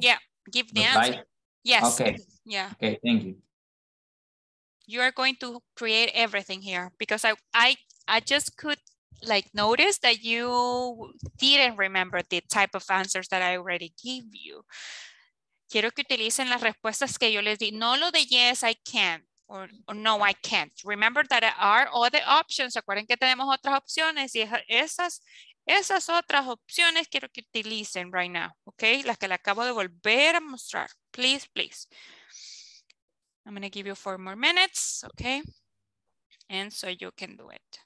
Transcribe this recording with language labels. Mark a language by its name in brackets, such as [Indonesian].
[English] Yeah, give the answer. Yes. Okay. Yeah. Okay, thank you. You are going to create everything here because I just could. Like notice that you didn't remember the type of answers that I already gave you. [Spanish] Quiero que utilicen las respuestas que yo les di. No lo de [English] yes, I can, or no, I can't. Remember that there are other options. [Spanish] Acuerden que tenemos otras opciones y esas otras opciones quiero que utilicen [English] right now. [Spanish] Okay, las que le acabo de volver a mostrar. [English] Please, please. I'm going to give you 4 more minutes, okay? And so you can do it.